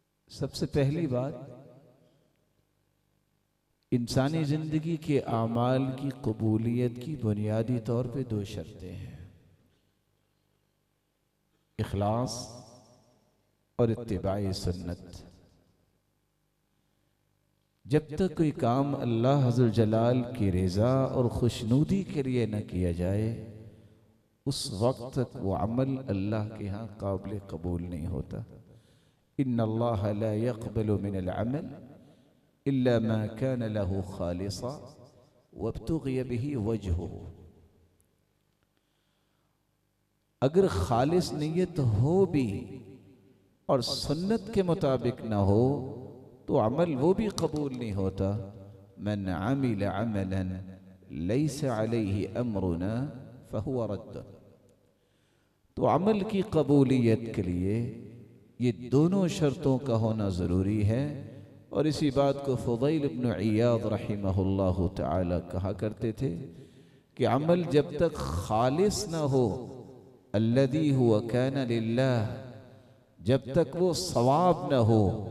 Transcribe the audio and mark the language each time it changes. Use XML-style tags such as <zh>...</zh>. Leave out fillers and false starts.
<ur>سب سے پہلی بات، انسانی زندگی کے اعمال کی قبولیت کی بنیادی طور پہ دو شرطیں ہیں، اخلاص اور اتباع سنت. جب تک کوئی کام اللہ عزوجلال کی رضا اور خوشنودی کے لیے نہ کیا جائے، اس وقت تک وہ عمل اللہ کے ہاں قابل قبول نہیں ہوتا.</ur> <ar>ان اللہ لا يقبل من العمل الا ما كان له خالصا وابتغي به وجهه.</ar> <ur>اگر خالص نیت ہو بھی اور سنت کے مطابق نہ ہو، تو عمل وہ بھی قبول نہیں ہوتا.</ur> <ar>من عمل عملا ليس عليه امرنا فهو رد.</ar> <ur>تو عمل کی قبولیت کے لیے یہ دونوں شرطوں کا ہونا ضروری ہے، اور اسی بات کو فضیل بن عیاض رحمہ اللہ تعالی کہا کرتے تھے کہ عمل جب تک خالص نہ ہو،</ur> <ar>الذي هو كان لله،</ar> <ur>جب تک وہ ثواب نہ ہو.</ur>